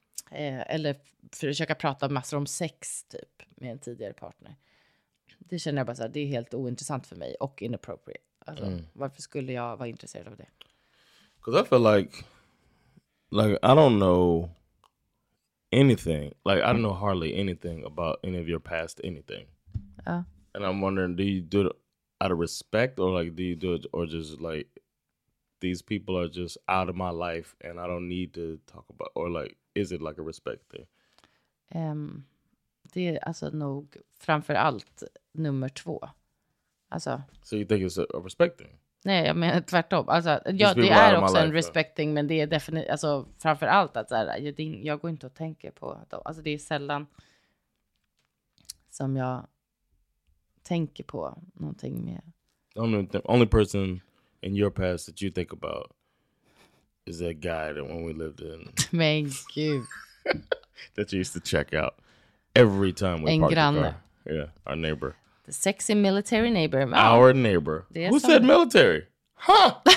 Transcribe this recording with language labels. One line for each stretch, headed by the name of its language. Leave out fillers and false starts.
Swedish: Eller försöka prata massor om sex typ med en tidigare partner. Det känner jag bara så här, det är helt ointressant för mig och inappropriate. Alltså, varför skulle jag vara intresserad av det?
English: Because I feel like I don't know anything. Like I don't know hardly anything about any of your past anything.
Swedish: Ja.
English: And I'm wondering, do you do out of respect, or like, do you do it, or just like, these people are just out of my life and I don't need to talk about, or like, is it like a respect thing?
Swedish: Det är alltså nog framför allt nummer två. Alltså,
English: so you think it's a respect thing?
Swedish: Nej, jag menar tvärtom. Alltså, ja, det är också en
English: respect thing,
Swedish: men det är definitivt, alltså framför allt att så här, jag går inte och tänker på dem. Alltså det är sällan som jag tänker på någonting med.
English: The only person in your past that you think about is that guy that when we lived in.
Swedish: Men gud.
English: That you used to check out every time we parked the car. Yeah, our neighbor. The sexy military neighbor. Oh. Our neighbor. Who said military? Huh?